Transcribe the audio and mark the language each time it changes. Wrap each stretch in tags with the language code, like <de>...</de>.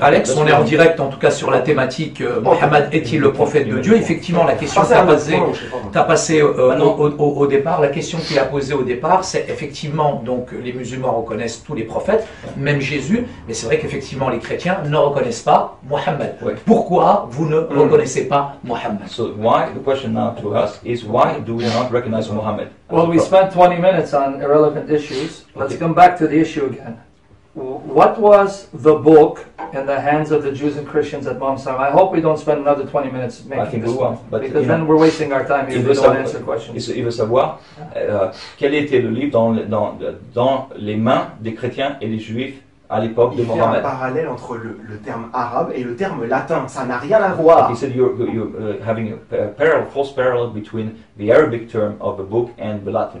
<fr>Alex, on est en direct, en tout cas, sur la thématique « Mohammed est-il le prophète de Dieu ?» Effectivement, la question que tu as passée au départ, la question qu'il a posée au départ, c'est effectivement, donc, les musulmans reconnaissent tous les prophètes, même Jésus, mais c'est vrai qu'effectivement, les chrétiens ne reconnaissent pas Mohammed. Ouais. Pourquoi vous ne reconnaissez pas Mohammed ?</fr> <en>So, why the question now to us is why do we not recognize Muhammad? Well, we spent 20 minutes on irrelevant issues. Let's come back to the issue again. What was the book in the hands of the Jews and Christians at Mount Sinai? I hope we don't spend another 20 minutes making this one. Because then we're wasting our time if we don't answer questions.</en> <fr>Il veut savoir quel était le livre dans les mains des chrétiens et des juifs à l'époque de Mohammed. Il fait un parallèle entre le terme arabe et le terme latin. Ça n'a rien à voir.</fr> <en>He said you're having a false parallel between the Arabic term of the book and the Latin.</en>